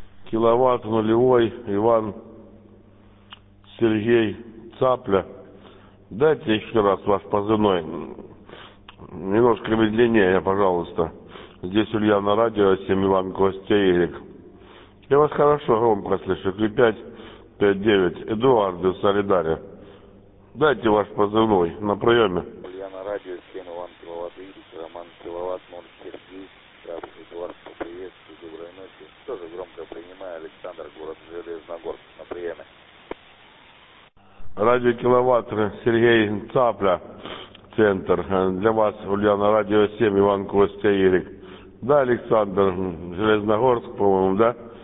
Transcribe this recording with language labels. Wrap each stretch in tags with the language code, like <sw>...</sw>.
<uk>Кіловат нульовий, Іван Сергій Цапля. Дайте ще раз ваш позивний.</uk> <ru>Немножко медленнее, пожалуйста. Здесь Ульяна Радіо, 7, Іван Костя Ігрик. Я вас хорошо громко слышу. 3-5-5-9. Эдуард из Солидария. Дайте ваш позывной на приеме. Ульяна Радіо, 7, Іван Кіловат Ігрик, Роман Кіловат, Монт Сергій. Эдуард, поприветствую, доброй ночи. Тоже громко принимаю, Александр, город Железногорск, на приеме. Радио Кіловат, Сергей Цапля, центр. Для вас, Ульяна, Радио 7, Иван Костя Ирик. Да, Александр, Железногорск, по-моему, да?</ru>